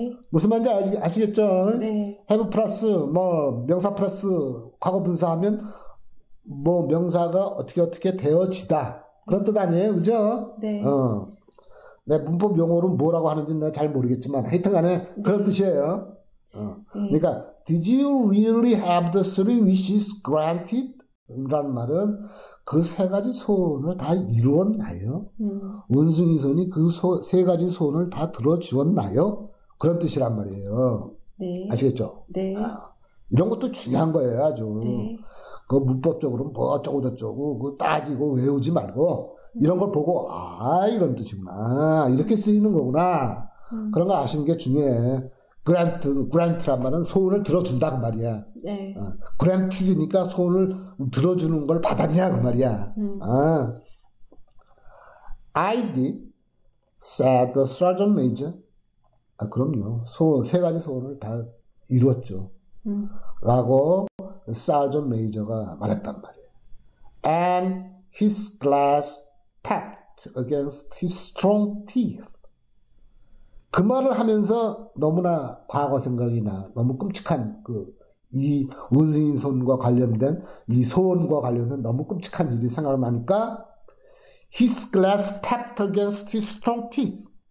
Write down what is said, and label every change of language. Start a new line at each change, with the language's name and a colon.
Korean: 무슨 말인지 아시겠죠? have 플러스 뭐 명사 플러스 과거 분사하면 뭐 명사가 어떻게 어떻게 되어지다. 그런 뜻 아니에요. 그죠? 내 문법 용어로 뭐라고 하는지 내가 잘 모르겠지만 하여튼 간에 그런 뜻이에요. 그러니까
English: Did you really have the three wishes granted?
Korean: 라는 말은 그세 가지 소원을 다 이루었나요? 원숭이 손이 그세 가지 소원을 다 들어주었나요? 그런 뜻이란 말이에요. 아시겠죠? 이런 것도 중요한 거예요, 아주. 그 문법적으로 뭐 어쩌고저쩌고 그거 따지고 외우지 말고 이런 걸 보고, 아, 이런 뜻이구나. 이렇게 쓰이는 거구나. 그런 거 아시는 게 중요해. grant란 말은 소원을 들어준다, 그 말이야. granted니까 소원을 들어주는 걸 받았냐, 그 말이야.
English: I did, said the sergeant major.
Korean: 아, 그럼요. 세 가지 소원을 다 이루었죠. 라고 sergeant major가 말했단 말이야.
English: And his glass tapped against his strong teeth.
Korean: 그 말을 하면서 너무나 과거 생각이 나. 너무 끔찍한 그이 원숭이 손과 관련된 이 소원과 관련된 너무 끔찍한 일이 생각나니까
English: His glass tapped against his strong teeth.